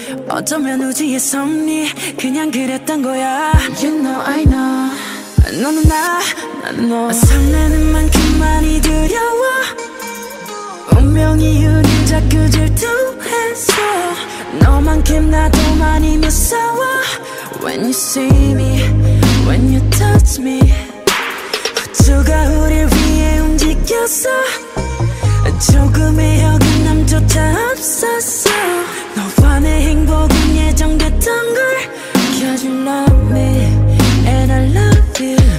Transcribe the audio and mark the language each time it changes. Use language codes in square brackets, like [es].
[ko] 어쩌면 우주의 섭리 그냥 그랬던 거야. [en] You know I know [ko] 너는 나 나는 너 설레는 만큼 많이 두려워. 운명이 우린 자꾸 질투했어. 너만큼 나도 많이 무서워. [en] When you see me when you touch me [ko] 우주가 우릴 위해 움직였어. 조금의 여긴남조차 없었어. 너와 내 행복은 예정됐던 걸. [en] Can you love me and I love you.